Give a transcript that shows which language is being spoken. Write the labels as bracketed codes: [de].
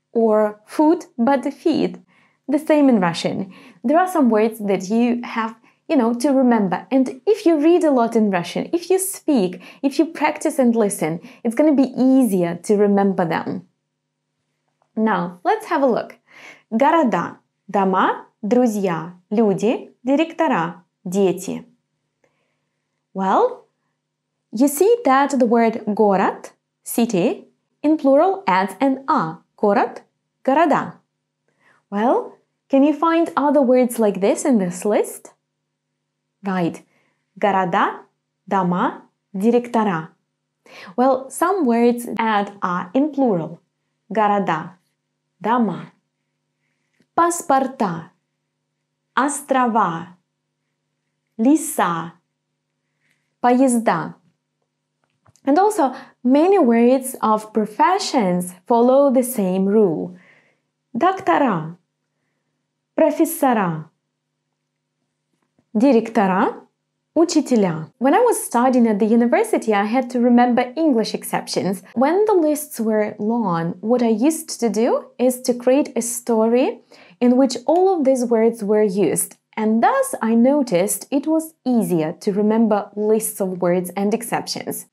[en] or food but feed. The same in Russian. There are some words that you have, you know, to remember. And if you read a lot in Russian, if you speak, if you practice and listen, it's going to be easier to remember them. Now, let's have a look. [ru] Города – дома, друзья, люди, директора, дети. [en] Well, you see that the word город – city – in plural adds an а. [ru] Город – города. [en] Well, can you find other words like this in this list? Right. [ru] Города – дома, директора. [en] Well, some words add а in plural. [ru] Города. Дома, паспорта, острова, леса, поезда. [en] And also, many words of professions follow the same rule. [ru] Доктора, профессора, директора, учителя. [en] When I was studying at the university, I had to remember English exceptions. When the lists were long, what I used to do is to create a story in which all of these words were used. And thus, I noticed it was easier to remember lists of words and exceptions.